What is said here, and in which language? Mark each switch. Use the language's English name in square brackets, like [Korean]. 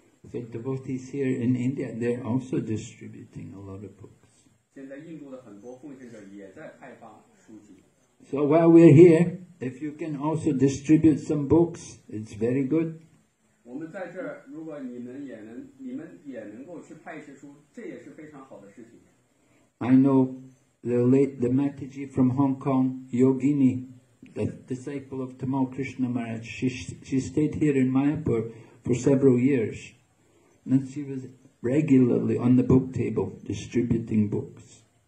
[English] So devotees here in India, they're also distributing a lot of books. So while we're here, if you can also distribute some books, it's very good. [Chinese] 们在这儿，如果你们也能，你们也能够去派一些书，这也是非常好的事情。 [English] I know the late the Mataji from Hong Kong, Yogini, the disciple of Tamal Krishna Maharaj. She stayed here in Mayapur for several years, and she was regularly on the book table distributing books.